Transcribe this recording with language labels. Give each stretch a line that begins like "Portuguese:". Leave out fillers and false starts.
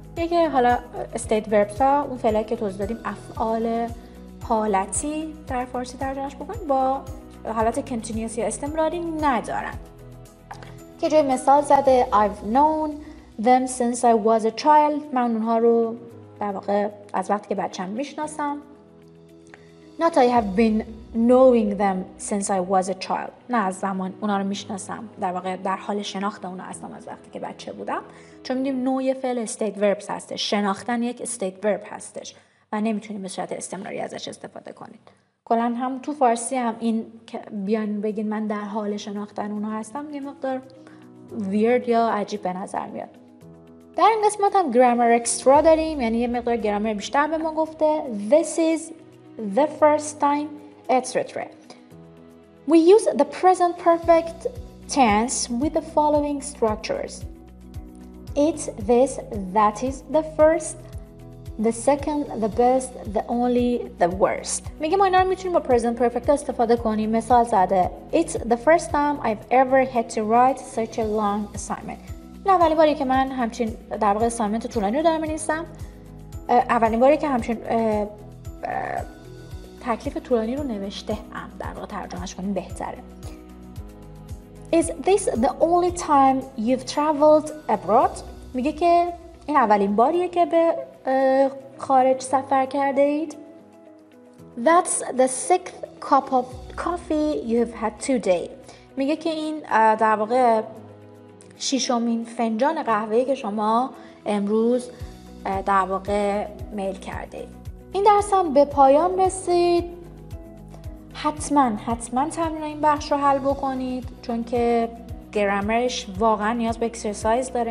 Persian: یکی حالا state verbs ها اون فعلی که توضیح دادیم، افعال حالتی در فارسی ترجمهش بکنید، با حالت continuous یا استمراری ندارن. که جای مثال زده
English: I've known them since I was a child.
Persian: من اونها رو در واقع از وقتی که بچه‌ام میشناسم.
English: Not I have been knowing them since I was a child.
Persian: نه از زمان اونا رو میشناسم، در واقع در حال شناخت اونا هستم از وقتی که بچه بودم. چون میدیم نوع فعل state verbs هستش، شناختن یک state verb هستش و نمیتونیم به صورت استمراری ازش استفاده کنید. کلن هم تو فارسی هم این بیان بگید من در حال شناختن اونا هستم یه مقدار weird یا عجیب به نظر میاد. در این قسمت هم grammar extra داریم، یعنی یه مقدار grammar بیشتر به ما گفته.
English: This is the first time, etc. We use the present perfect tense with the following structures. It's this, that is the first, the second, the best, the only, the worst.
Persian: میگه ما اینا رو میتونیم با present perfect استفاده کنیم. مثال زده
English: It's the first time I've ever had to write such a long assignment.
Persian: نه اولی باری که من همچین در واقع assignment طولانی رو دارم می‌نویسم. اولین باری که همچین تکلیف طولانی رو نوشته هم، در واقع ترجمهش کنیم بهتره.
English: Is this the only time you've traveled abroad؟
Persian: میگه که این اولین باریه که به خارج سفر کرده اید.
English: That's the sixth cup of coffee you've had today.
Persian: میگه که این در واقع ششمین فنجان قهوه‌ای که شما امروز در واقع میل کرده اید. این درس هم به پایان رسید. حتما حتما تمرین این بخش رو حل بکنید، چون که گرامرش واقعا نیاز به اکسرسایز داره.